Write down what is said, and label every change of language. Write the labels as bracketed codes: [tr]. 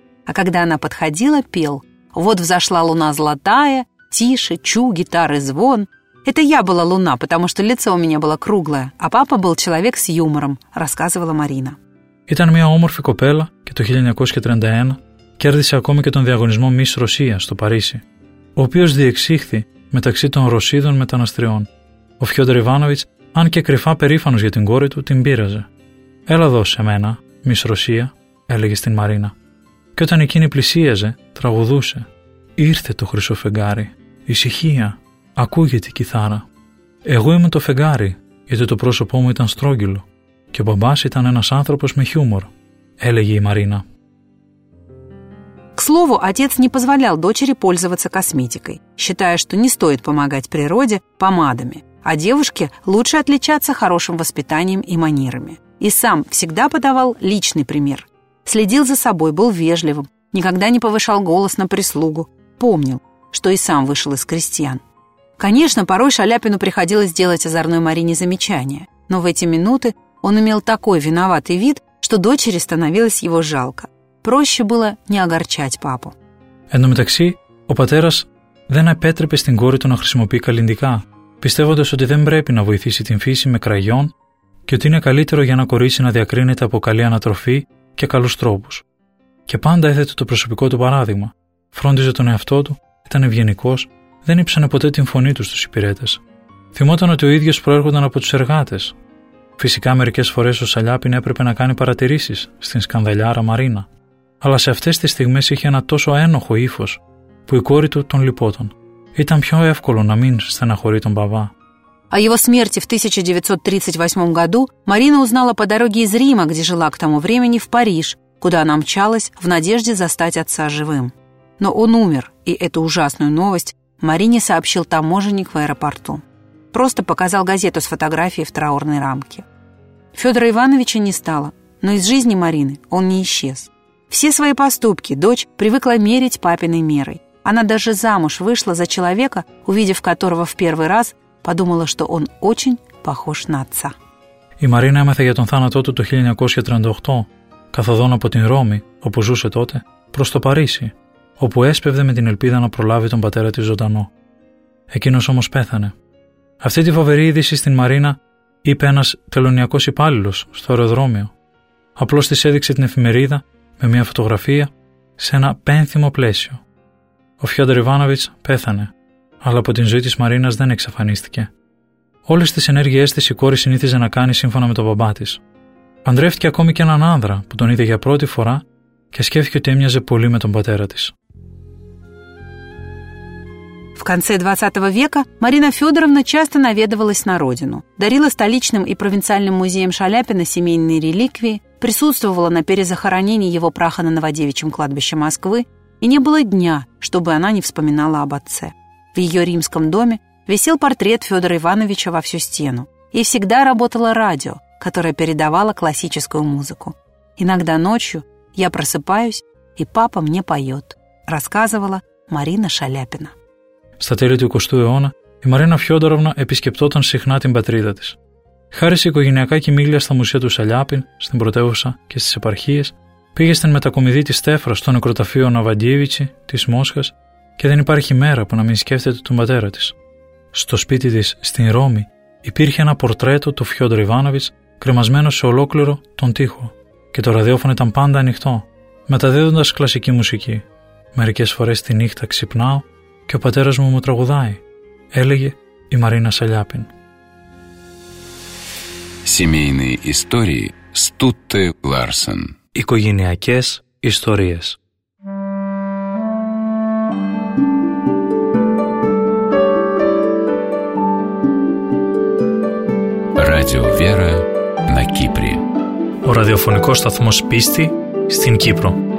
[ru] А когда она подходила, пел. «Вот взошла луна золотая, тише, чу, гитары, звон. Это я была луна, потому что лицо у меня было круглое, а папа был человек с юмором», — рассказывала Марина. [el] Ήταν μια όμορφη κοπέλα και το 1931 κέρδισε ακόμη και τον διαγωνισμό Miss Ρωσία στο Παρίσι, ο οποίος διεξήχθη μεταξύ των Ρωσίδων μεταναστριών. Ο Φιόντορ Ιβάνοβιτς, αν και κρυφά περήφανος για την κόρη του, την πείραζε. «Έλα εδώ σε μένα, Miss Ρωσία», έλεγε στην Μαρίνα. Και όταν εκείνη πλησίαζε, τραγουδούσε. «Ήρθε το χρυσό φεγγάρι, ησυχία, ακούγεται η κιθάρα. Εγώ είμαι το φεγγάρι, γιατί το πρόσωπό μου ήταν στρόγγυλο. Και ο μπαμπάς ήταν ένας άνθρωπος με χιούμορ», έλεγε η Μαρίνα. [ru] К слову, отец не позволял дочери пользоваться косметикой, считая, что не стоит помогать природе помадами, а девушке лучше отличаться хорошим воспитанием и манерами. И сам всегда подавал личный пример. Следил за собой, был вежливым, никогда не повышал голос на прислугу, помнил, что и сам вышел из крестьян. Конечно, порой Шаляпину приходилось делать озорной Марине замечания, но в эти минуты он имел такой виноватый вид, что дочери становилось его жалко. Проще было не огорчать папу. [el] Εν τω μεταξύ, ο πατέρας δεν επέτρεπε στην κόρη του να χρησιμοποιεί καλλιντικά, πιστεύοντας ότι δεν πρέπει να βοηθήσει την φύση με κραγιόν και ότι είναι καλύτερο για ένα κορίτσι να διακρίνεται από καλή ανατροφή και καλούς τρόπους. Και πάντα έθετε το προσωπικό του παράδειγμα. Φρόντιζε τον εαυτό του, ήταν ευγενικός, δεν ύψανε ποτέ την φωνή του στους υπηρέτες. Θυμόταν ότι ο ίδιος προέρχονταν από τους εργάτες. Φυσικά μερικές φορές ο Σαλιάπιν έπρεπε να κάνει παρατηρήσεις στην σκανδαλιάρα Μαρίνα. Αλλά σε αυτές τις στιγμές είχε ένα τόσο ένοχο ύφος που η κόρη του τον λυπόταν. Ήταν πιο εύκολο να μην στεναχωρεί τον μπαμπά. [ru] О его смерти в 1938 году Марина узнала по дороге из Рима, где жила к тому времени, в Париж, куда она мчалась в надежде застать отца живым. Но он умер, и эту ужасную новость Марине сообщил таможенник в аэропорту. Просто показал газету с фотографией в траурной рамке. Федора Ивановича не стало, но из жизни Марины он не исчез. Все свои поступки дочь привыкла мерить папиной мерой. Она даже замуж вышла за человека, увидев которого в первый раз, подумала, что он очень похож на отца. [el] Η Μαρίνα έμαθε για τον θάνατό του το 1938, καθοδόν από την Ρώμη, όπου ζούσε τότε, προς το Παρίσι, όπου έσπευδε με την ελπίδα να προλάβει τον πατέρα της ζωντανό. Εκείνος όμως πέθανε. Αυτή τη φοβερή είδηση στην Μαρίνα είπε ένας τελωνιακός υπάλληλος στο αεροδρόμιο. Απλώς της έδειξε την εφημερίδα με μια φωτογραφία σε ένα πένθυμο πλαίσιο. Ο Φιόντορ Ιβάνοβιτς πέθανε, αλλά από την ζωή της Μαρίνας δεν εξαφανίστηκε. Όλες τις ενέργειές της η κόρη συνήθιζε να κάνει σύμφωνα με τον μπαμπά της. Παντρεύτηκε ακόμη και έναν άνδρα που τον είδε για πρώτη φορά και σκέφτηκε ότι έμοιαζε πολύ με τον πατέρα της. [ru] В конце 20 века Марина Федоровна часто наведывалась на родину, дарила столичным и провинциальным музеям Шаляпина семейные реликвии, присутствовала на перезахоронении его праха на Новодевичьем кладбище Москвы, и не было дня, чтобы она не вспоминала об отце. В ее римском доме висел портрет Федора Ивановича во всю стену, и всегда работало радио, которое передавало классическую музыку. «Иногда ночью я просыпаюсь, и папа мне поет», рассказывала Марина Шаляпина. [el] Στα τέλη του 20ου αιώνα, η Μαρίνα Φιόντοροβνα επισκεπτόταν συχνά την πατρίδα της. Χάρη σε οικογενειακά κοιμήλια στα μουσεία του Σαλιάπιν, στην πρωτεύουσα και στις επαρχίες, Πήγε στην μετακομιδή της Στέφρας στο νεκροταφείο Ναβαντίεβιτσι της Μόσχας και δεν υπάρχει μέρα που να μην σκέφτεται τον πατέρα της. Στο σπίτι της στην Ρώμη υπήρχε ένα πορτρέτο του Φιόντρ Ιβάνοβιτς κρεμασμένο σε ολόκληρο τον τοίχο και το ραδιόφωνο ήταν πάντα ανοιχτό, μεταδίδοντας κλασική μουσική. Μερικές φορές τη νύχτα ξυπνάω και ο πατέρας μου τραγουδάει, έλεγε η Μαρίνα Σαλιάπιν. [ru] Семейные истории Стутте Ларсен. [el] Οικογενειακές ιστορίες. [ru] Радио Вера на Кипре. [el] Ο ραδιοφωνικός σταθμός πίστη στην Κύπρο.